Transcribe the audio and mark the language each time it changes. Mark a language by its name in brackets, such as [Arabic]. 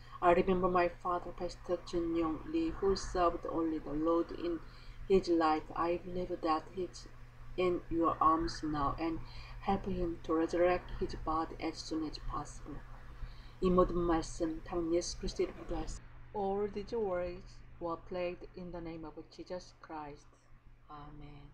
[English] I remember my father, Pastor Jun Yong Lee, who served only the Lord in his life. I believe that he's in your arms now and help him to resurrect his body as soon as possible. [Korean] 이 모든 말씀, 다만 예수 그리스도의 이름으로 하였습니다. [English] All these words were prayed in the name of Jesus Christ. Amen.